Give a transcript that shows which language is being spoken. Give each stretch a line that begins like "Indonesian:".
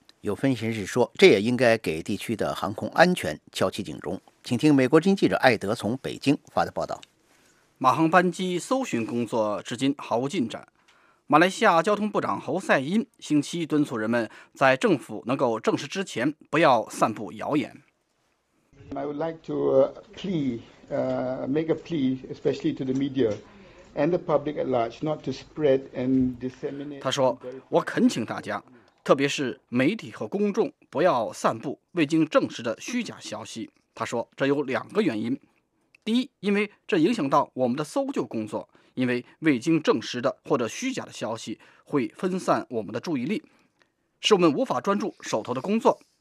Chinese: 有分析师说，这也应该给地区的航空安全敲起警钟。请听美国之音记者艾德从北京发的报道。马航班机搜寻工作至今毫无进展。马来西亚交通部长侯赛因星期一敦促人们在政府能够证实之前不要散布谣言。
English: I would like to make a plea especially to the mediaAnd the public at large, not to spread and disseminate.
Chinese: 他说：“我恳请大家，特别是媒体和公众，不要散布未经证实的虚假消息。” 他说：“这有两个原因，第一，因为这影响到我们的搜救工作，因为未经证实的或者虚假的消息会分散我们的注意力，使我们无法专注手头的工作。